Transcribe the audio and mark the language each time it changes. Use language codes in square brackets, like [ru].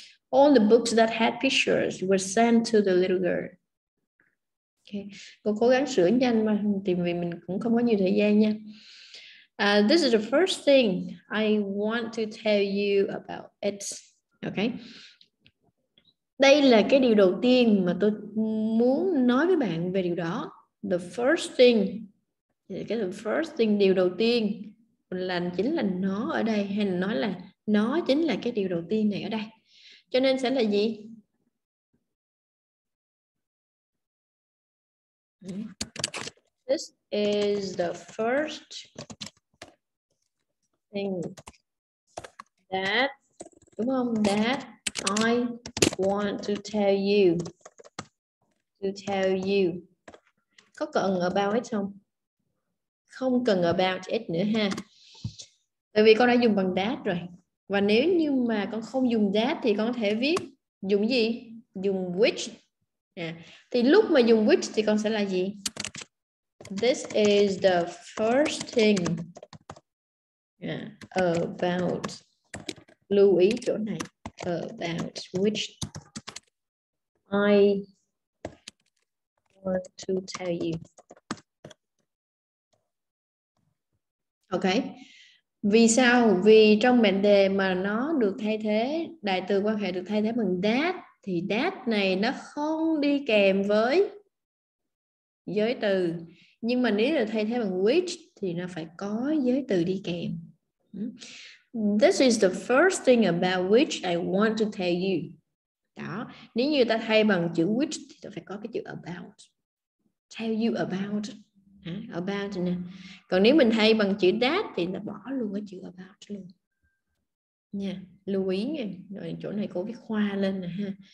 [en] All the books that had pictures were sent to the little girl. Okay. [vi] Cô cố gắng sửa nhanh mà tìm vì mình cũng không có nhiều thời gian nha. [en] This is the first thing I want to tell you about it. Okay. [vi] Đây là cái điều đầu tiên mà tôi muốn nói với bạn về điều đó. [en] The first thing, [vi] cái [en] the first thing, [vi] điều đầu tiên là chính là nó ở đây, hay là nói là nó chính là cái điều đầu tiên này ở đây. Cho nên sẽ là gì? [en] This is the first thing that, [vi] đúng không? [en] That I want to tell you. To tell you. [vi] Có cần [en] about it [vi] không? Không cần [en] about it [vi] nữa ha. Tại vì con đã dùng bằng that rồi. Và nếu như mà con không dùng that thì con có thể viết dùng gì? Dùng which. À, thì lúc mà dùng which thì con sẽ là gì? [en] This is the first thing. Yeah, about, [vi] lưu ý chỗ này, [en] about which I want to tell you. [vi] Okay. Vì sao? Vì trong mệnh đề mà nó được thay thế, đại từ quan hệ được thay thế bằng that, thì that này nó không đi kèm với giới từ. Nhưng mà nếu được thay thế bằng which thì nó phải có giới từ đi kèm. [en] This is the first thing about which I want to tell you. [vi] Đó. Nếu như ta thay bằng chữ which thì ta phải có cái chữ about. [en] Tell you about. About [vi] nè. Còn nếu mình thay bằng chữ that thì ta bỏ luôn cái chữ about luôn. Nha. Lưu ý nha. Rồi chỗ này cô viết khoa lên nè ha.